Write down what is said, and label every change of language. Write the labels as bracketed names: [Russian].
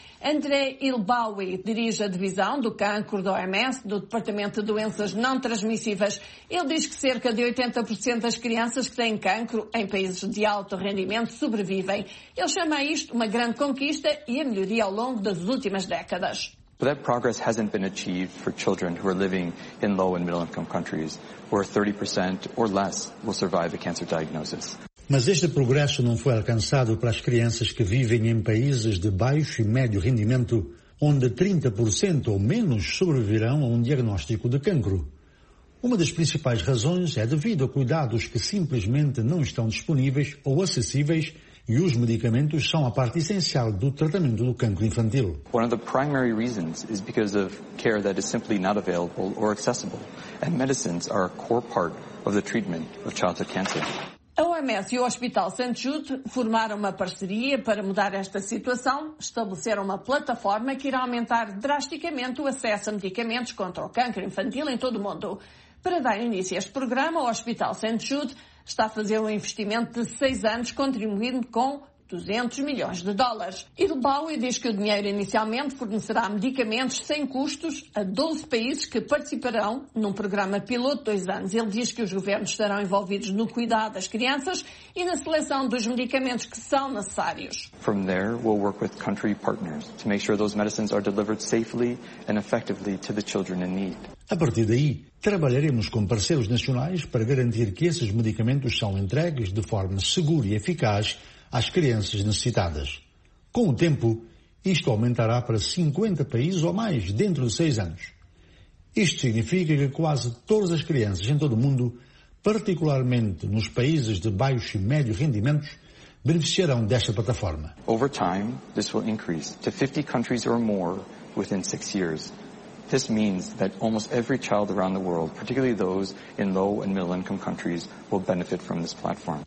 [Portuguese] André Ilbawi dirige a divisão do cancro da OMS, do Departamento de Doenças Não Transmissíveis. Ele diz que cerca de 80% das crianças que têm cancro em países de alto rendimento sobrevivem. Ele chama isto uma grande conquista e a melhoria ao longo das últimas décadas. [English] But that progress hasn't been achieved for children who are living in low and middle income countries, where 30% or less will survive a cancer diagnosis. [Portuguese] Mas este progresso não foi alcançado para as crianças que vivem em países de baixo e médio rendimento, onde 30% ou menos sobreviverão a um diagnóstico de cancro. Uma das principais razões é devido a cuidados que simplesmente não estão disponíveis ou acessíveis. E os medicamentos são a parte essencial do tratamento do cancro infantil. [English] One of the primary reasons is because of care that is simply not available or accessible, and medicines are a core part of the treatment of childhood cancer. [Portuguese] A OMS e o Hospital St. Jude formaram uma parceria para mudar esta situação, estabeleceram uma plataforma que irá aumentar drasticamente o acesso a medicamentos contra o cancro infantil em todo o mundo. Para dar início a este programa, o Hospital St. Jude está a fazer um investimento de 6 anos, contribuindo com 200 milhões de dólares. E do Bowie diz que o dinheiro inicialmente fornecerá medicamentos sem custos a 12 países que participarão num programa piloto de 2 anos. Ele diz que os governos estarão envolvidos no cuidado das crianças e na seleção dos medicamentos que são necessários. [English] From there, we'll work with country partners to make sure those medicines are delivered safely and effectively to the children in need. [Portuguese] A partir daí, trabalharemos com parceiros nacionais para garantir que esses medicamentos são entregues de forma segura e eficaz às crianças necessitadas. Com o tempo, isto aumentará para 50 países ou mais dentro de 6 anos. Isto significa que quase todas as crianças em todo o mundo, particularmente nos países de baixo e médio rendimentos, beneficiarão desta plataforma. [English] Over time, this will increase to 50 countries or more within 6 years. This means that almost every child around the world, particularly those in low and middle income countries, will benefit from this platform.